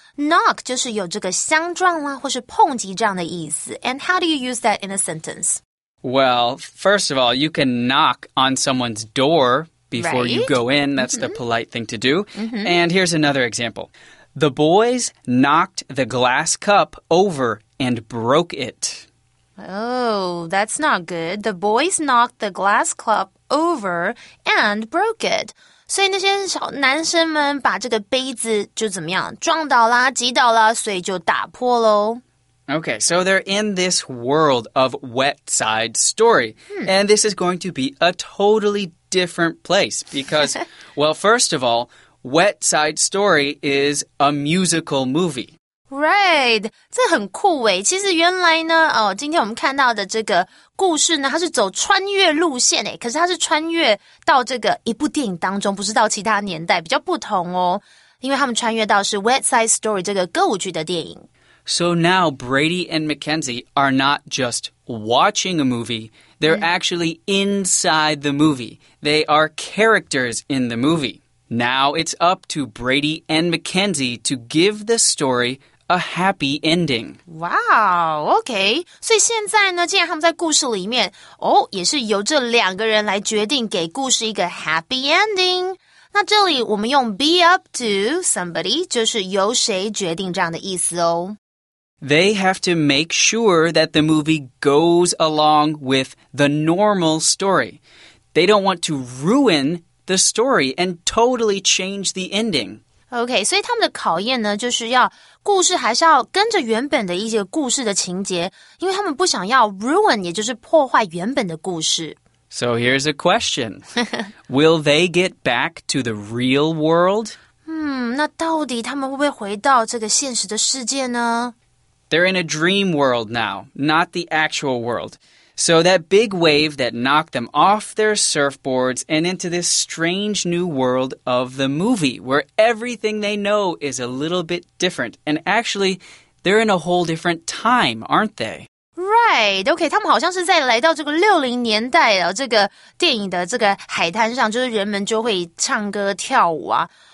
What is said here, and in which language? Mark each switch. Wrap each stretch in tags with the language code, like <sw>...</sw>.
<zh>Knock 就是有这个相撞啦，或是碰击这样的意思。</zh> <en>And how do you use that in a sentence? Well, first of all, you can knock on someone's door before you go in. That's the polite thing to do. And here's another example. The boys knocked the glass cup over and broke it. Oh, that's not good. The boys knocked the glass cup over and broke it.</en> <zh>所以那些小男生们把这个杯子就怎么样撞倒啦击倒啦所以就打破咯。</zh> <en>Okay, so they're in this world of Wet Side Story. And this is going to be a totally different place because, well, first of all, Wet Side Story is a musical movie.</en> <zh>Right, 这很酷耶。其实原来呢，哦，今天我们看到的这个故事呢，它是走穿越路线耶。可是它是穿越到这个一部电影当中，不是到其他年代，比较不同哦。因为他们穿越到是 Wet Side Story 这个歌舞剧的电影。</zh> <en>So now Brady and Mackenzie are not just watching a movie, They're actually inside the movie. They are characters in the movie. Now it's up to Brady and Mackenzie to give the story a happy ending. Wow, okay.</en> <zh>所以现在呢，既然他们在故事里面，哦，也是由这两个人来决定给故事一个</zh> <en>happy ending。</en> <zh>那这里我们用</zh> <en>be up to somebody,</en> <zh>就是由谁决定这样的意思哦。</zh> <en>They have to make sure that the movie goes along with the normal story. They don't want to ruin the story and totally change the ending.</en> <zh>Okay, 所以他们的考验呢，就是要故事还是要跟着原本的一些故事的情节，因为他们不想要 ruin, 也就是破坏原本的故事。</zh> <en>So here's a question. Will they get back to the real world?</en> <zh>那到底他们会不会回到这个现实的世界呢？</zh> <en>They're in a dream world now, not the actual world. So that big wave that knocked them off their surfboards and into this strange new world of the movie, where everything they know is a little bit different. And actually, they're in a whole different time, aren't they?</en> <zh>Right, okay, 他们好像是在来到这个60年代的这个电影的这个海滩上，就是人们就会唱歌跳舞啊。</zh>